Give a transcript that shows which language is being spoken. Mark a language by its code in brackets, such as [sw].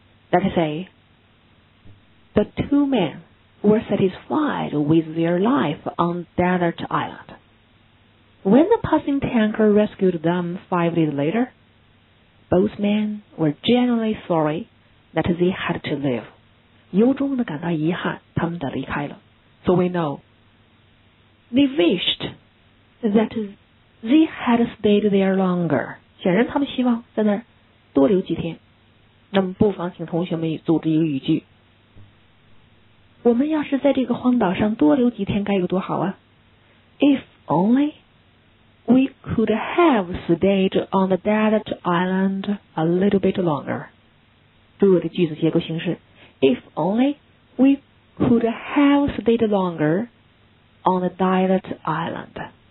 [en] Let us say, the two men were satisfied with their life on desert island. When the passing tanker rescued them 5 days later, both men were genuinely sorry that they had to live. [zh] 由衷地感到遗憾他们得离开了。 [en] So we know, they wished that they had stayed there longer. [zh] 显然他们希望在那儿多留几天。那么不妨请同学们组织一个语句，我们要是在这个荒岛上多留几天该有多好啊。 [en] If only we could have stayed on the desert island a little bit longer. [zh] 注意的句子结构形式， [en] If only we could have stayed longer on the desert island.